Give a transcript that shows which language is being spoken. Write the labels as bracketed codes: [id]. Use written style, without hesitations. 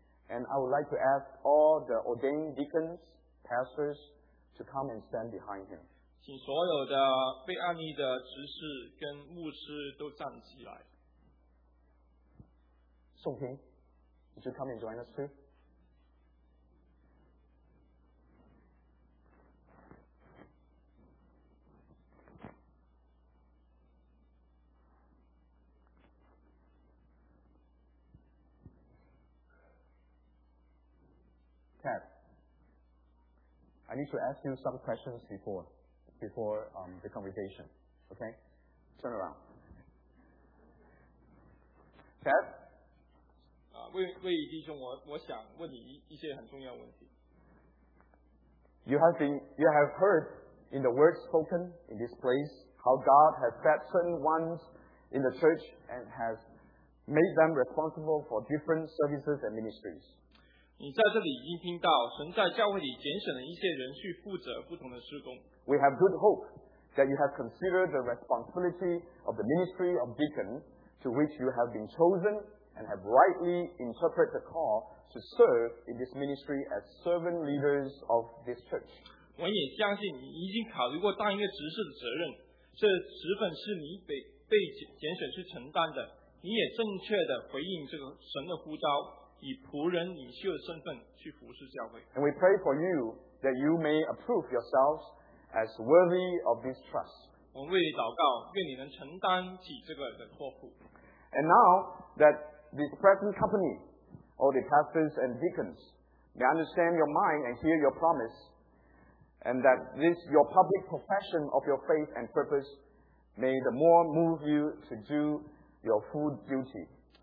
[en] And I would like to ask all the ordained deacons, pastors, to come and stand behind him. [zh] 请所有的被安立的执事跟牧师都站起来。 [en] 宋平, would you come and join us too? I need to ask you some questions before the conversation. Okay? Turn around. Ted? [zh] 魏弟兄，我想问你一些很重要问题。 [en] You have heard in the words spoken in this place how God has set certain ones in the church and has made them responsible for different services and ministries. [zh] 你在这里已经听到神在教会里拣选了一些人去负责不同的事工。 [en] We have good hope that you have considered the responsibility of the ministry of deacon to which you have been chosen and have rightly interpreted the call to serve in this ministry as servant leaders of this church. [zh] 我也相信你已经考虑过当一个执事的责任，这职分是你被拣选去承担的，你也正确的回应这个神的呼召。以仆人领袖的身份去服侍教会。 [en] And we pray for you that you may approve yourselves as worthy of this trust. [zh] 我们为你祷告，愿你能承担起这个的托付。 [en] And now that this present company, all the pastors and deacons, may understand your mind and hear your promise, and that this your public profession of your faith and purpose may the more move you to do your full duty.